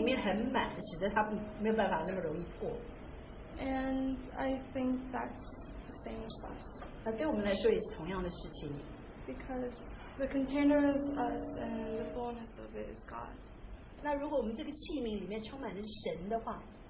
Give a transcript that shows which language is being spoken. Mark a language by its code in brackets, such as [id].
[zh] 因为它里面很满，使得它没有办法那么容易破。 [en] And I think that's the same as us. [zh] 对我们来说也是同样的事情。 [en] Because the container is us and the fullness of it is God. [zh] 那如果我们这个器皿里面充满的是神的话。